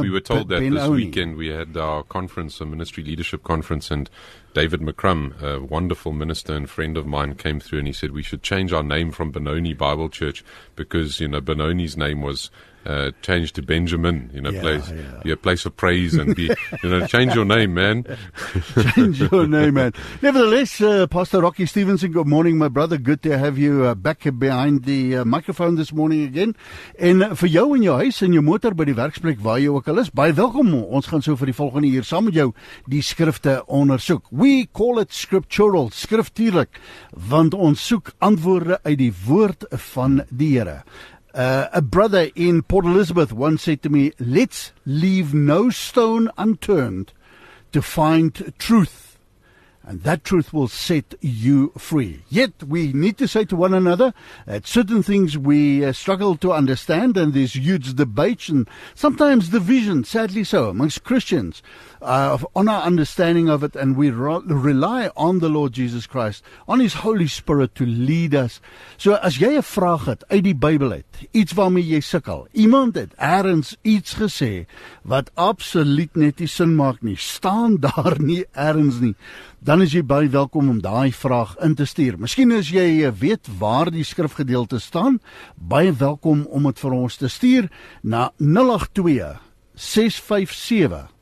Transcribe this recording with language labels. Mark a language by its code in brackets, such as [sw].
[en] We were told that Benoni. This weekend we had our conference, a ministry leadership conference, and David McCrum, a wonderful minister and friend of mine, came through and he said we should change our name from Benoni Bible Church because, you know, Benoni's name was changed to Benjamin, you know, a place of praise and be, you know, change your name, man. Change your name, man. Nevertheless, Pastor Rocky Stevenson, good morning, my brother. Good to have you back behind the microphone this morning again. And for [af] jou in jou huis en jou motor by die werksplek waar jy ook al is, baie welkom. Ons gaan so vir die volgende uur saam met jou die skrifte ondersoek. [en] We call it scriptural, [af] skriftuurlik, want ons soek antwoorde uit die woord van die Here. [en] A brother in Port Elizabeth once said to me, let's leave no stone unturned to find truth, and that truth will set you free. Yet we need to say to one another that certain things we struggle to understand, and there's huge debates and sometimes division, sadly so, amongst Christians on our understanding of it, and we rely on the Lord Jesus Christ, on His Holy Spirit to lead us. [af] So as jy 'n vraag het uit die Bybel uit, iets waarmee jy sukkel, iemand het ergens iets gesê wat absoluut net nie sin maak nie, staan daar nie ergens nie, dan is jy baie welkom om daai vraag in te stuur. Miskien as jy weet waar die skrifgedeelte staan, baie welkom om het vir ons te stuur na 082-657.